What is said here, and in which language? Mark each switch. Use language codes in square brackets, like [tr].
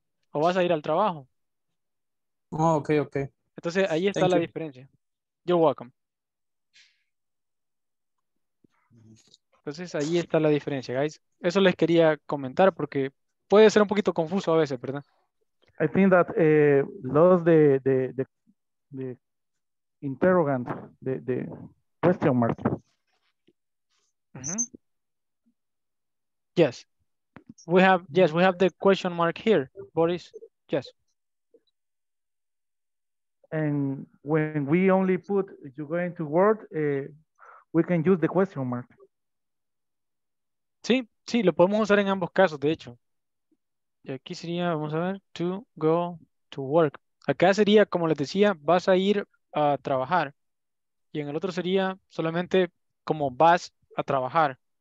[es] O vas a ir al trabajo. Oh, ok, ok. Entonces, ahí está la diferencia. [en] You're welcome. [es] Entonces, ahí está la diferencia, guys. Eso les quería comentar, porque puede ser un poquito confuso a veces, ¿verdad? [en] I think that the interrogant, the question mark. Yes, we have the question mark here, Boris. Yes. And when we only put you going to work, we can use the question mark. [es] Sí, sí, lo podemos usar en ambos casos, de hecho. Y aquí sería, vamos a ver, [en] to go to work. [es] Acá sería, como les decía, vas a ir a trabajar. Y en el otro sería solamente como vas a trabajar.